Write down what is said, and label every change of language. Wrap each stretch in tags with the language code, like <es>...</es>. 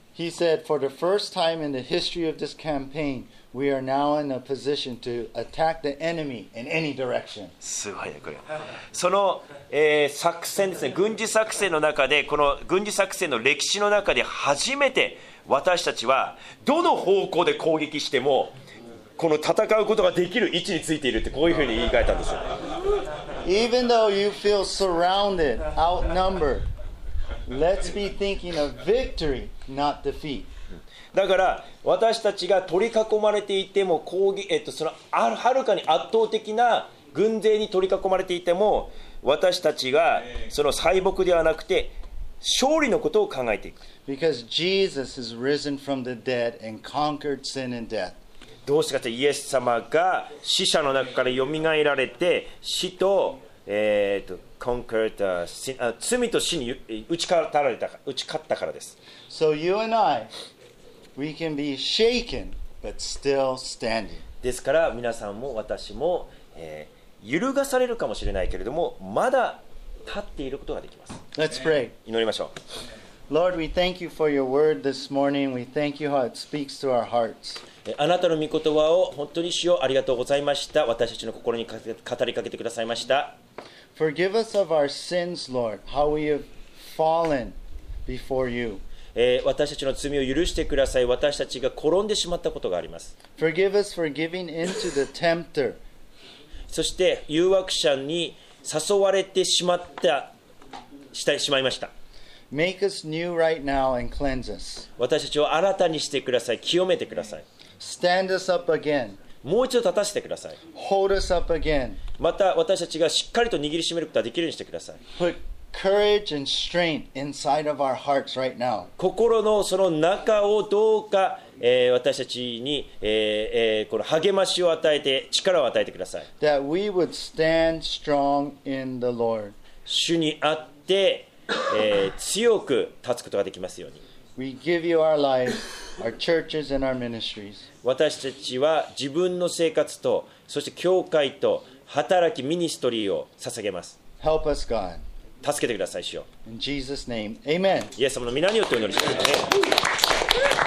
<en>He said, for the first time in the history of this campaign, we are now in a position to attack the enemy in any direction.</en> <ja>すごいね、これ。その、作戦ですね、軍事作戦の中で、この軍事作戦の歴史の中で初めて私たちはどの方向で攻撃しても、この戦うことができる位置についているってこういうふうに言い換えたんですよ。</ja> <en>Even though you feel surrounded, outnumbered, let's be thinking of victory, not defeat.</en> <ja>だから私たちが取り囲まれていても攻撃、そのはるかに圧倒的な軍勢に取り囲まれていても私たちがその敗北ではなくて勝利のことを考えていく。</ja> <en>Because Jesus is risen from the dead and conquered sin and death.</en> <ja>どうしてかというとイエス様が死者の中からよみがえられて死と、conquered, 罪と死に打ち勝たれた、打ち勝ったからです。</ja> <en>So you and I, we can be shaken, but still standing.</en> <ja>ですから皆さんも私も、揺るがされるかもしれないけれどもまだ立っていることができます。</ja> <en>Let's pray.</en> <ja>祈りましょう。</ja> <en>Lord, we thank you for your word this morning. We thank you how it speaks to our hearts.</en> <ja>あなたの御言葉を本当に主よありがとうございました。私たちの心に語りかけてくださいました。</ja> <en>Forgive us of our sins, Lord, how we have fallen before you.</en> <ja>私たちの罪を許してください。私たちが転んでしまったことがあります。</ja> <en>Forgive us for giving in to the tempter.</en> <ja>そして誘惑者に誘われてしまったしてしまいました。</ja> <en>Make us new right now and cleanse us.</en> <ja>私たちを新たにしてください。清めてください。</ja> <en>Stand us up again.</en> <ja>もう一度立たせてください。</ja> <en>Hold us up again.</en> <ja>また私たちがしっかりと握りしめることができるようにしてください。</ja> <en>Put courage and strength inside of our hearts right now.</en> <ja>心のその中をどうか、私たちに、この励ましを与えて力を与えてください。</ja> <en>That we would stand strong in the Lord.</en> <ja>主にあって、強く立つことができますように。</ja> <en>We give you our lives, our churches, and our ministries.</en> <ja>私たちは自分の生活と、そして教会と働きミニストリーを捧げます。</ja> <en>Help us, God.</en> <ja>助けてください、主よ。</ja> <en>In Jesus' name, Amen.</en> <ja>イエス様の皆によってお祈りします。</ja>